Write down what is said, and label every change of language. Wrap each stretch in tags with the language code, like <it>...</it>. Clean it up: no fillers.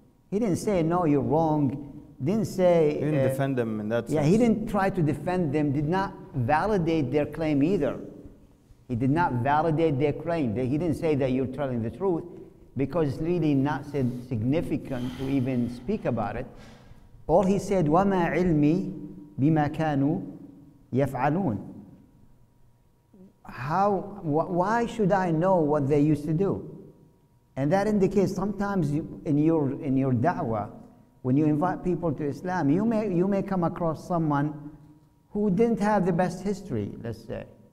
<en>He didn't say, no, you're wrong. He didn't defend them in that sense. Yeah, he didn't try to defend them, did not validate their claim either. He did not validate their claim. He didn't say that you're telling the truth. because it's really not significant to even speak about it. All he said,</en> <ar>وَمَا عِلْمِي بِمَا كَانُوا يَفْعَلُونَ.</ar> <en>How, why should I know what they used to do? And that indicates sometimes you, in your da'wah, when you invite people to Islam, you may come across someone who didn't have the best history, let's say.</en>